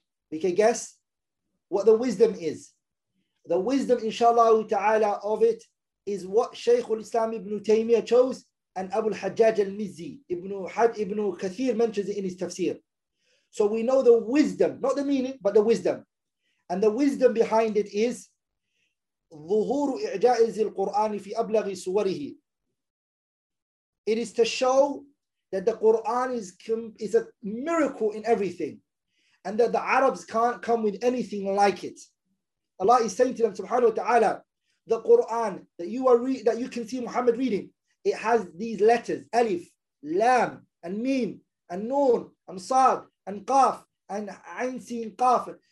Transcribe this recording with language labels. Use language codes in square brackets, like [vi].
[en] We can guess what the wisdom is. The wisdom, inshallah ta'ala, of it is what Shaykh al-Islam ibn Taymiyyah chose and Abu al-Hajjaj al-Mizzi, ibn Kathir mentions it in his tafsir. So we know the wisdom, not the meaning, but the wisdom. And the wisdom behind it is [ar] ظهور إعجائز القرآن في أبلغ سوره. [en] It is to show that the Quran is a miracle in everything and that the Arabs can't come with anything like it. Allah is saying to them, subhanahu wa ta'ala, the Quran that you can see Muhammad reading, it has these letters, Alif, Lam, and Mim, and Noon, and Sad, and Qaf, and Ayn, Sin, Qaf.